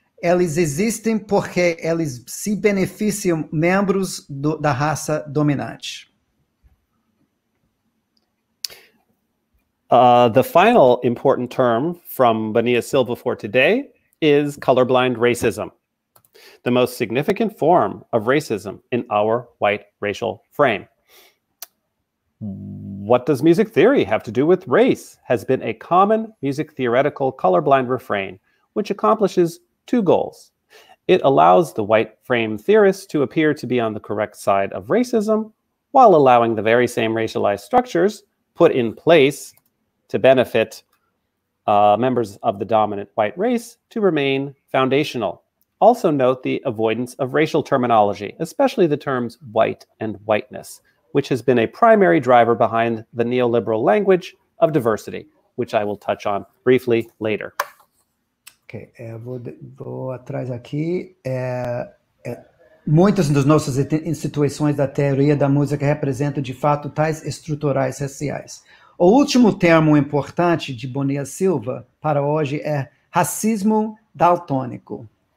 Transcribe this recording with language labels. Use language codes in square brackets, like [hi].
[pt] Eles existem porque eles se beneficiam membros da raça dominante. [en] The final important term from Bonilla Silva for today is colorblind racism, the most significant form of racism in our white racial frame. What does music theory have to do with race? Has been a common music theoretical colorblind refrain, which accomplishes two goals. It allows the white frame theorists to appear to be on the correct side of racism, while allowing the very same racialized structures put in place to benefit members of the dominant white race to remain foundational. Also note the avoidance of racial terminology, especially the terms white and whiteness, which has been a primary driver behind the neoliberal language of diversity, which I will touch on briefly later. [pt] Okay, vou atrás aqui. Muitas das nossas instituições da teoria da música representam, de fato, tais estruturais raciais. O último termo importante de Bonilla Silva para hoje é racismo daltônico.